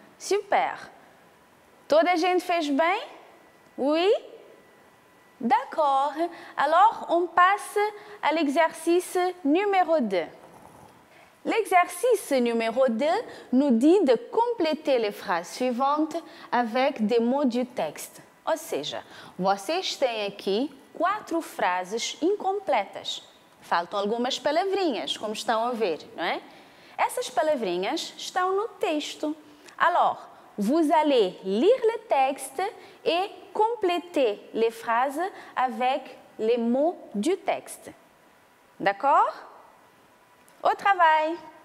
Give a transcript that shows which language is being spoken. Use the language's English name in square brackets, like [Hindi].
[Portuguese] Super! Toda a gente fez bem? [French] Oui? D'accord! Alors, on passe à l'exercice numéro 2. L'exercice numéro 2 nous dit de compléter les phrases suivantes avec des mots du texte. [Portuguese] Ou seja, vocês têm aqui quatro frases incompletas. Faltam algumas palavrinhas, como estão a ver, não é? Essas palavrinhas estão no texto. [French] Alors, vous allez lire le texte et compléter les phrases avec les mots du texte. D'accord? Au travail!